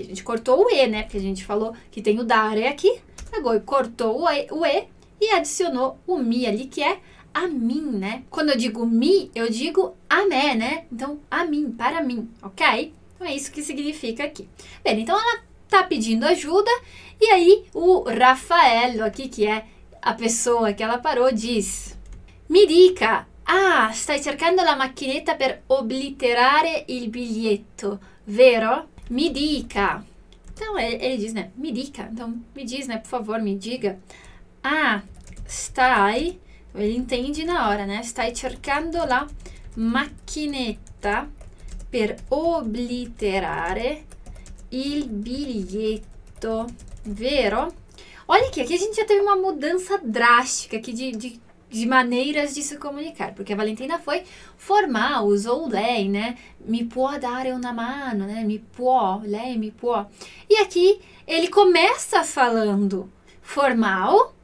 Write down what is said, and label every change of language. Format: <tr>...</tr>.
<pt>A gente cortou o e, né? Porque a gente falou que tem o dare aqui, agora cortou o e adicionou o mi ali, que é a mim, né? Quando eu digo mi, eu digo a me, né? Então, a mim, para mim, ok? Então, é isso que significa aqui. Bem, então, ela tá pedindo ajuda, e aí, o Raffaello aqui, que é a pessoa que ela parou, diz...</pt> <it>Mi dica, stai cercando la macchinetta per obliterare il biglietto, vero? Mi dica.</it> <pt>Então, ele diz, né? Mi dica. Então, me diz, né? Por favor, me diga.</pt> <it>Stai...</it> <pt>Ele entende na hora, né?</pt> <it>Stai cercando la macchinetta per obliterare il biglietto, vero?</it> <pt>Olha aqui a gente já teve uma mudança drástica aqui de maneiras de se comunicar, porque a Valentina foi formal, usou lei, né?</pt> <it>Mi può dare una mano, né? Mi può, lei mi può.</it> <pt>E aqui ele começa falando formal.</pt>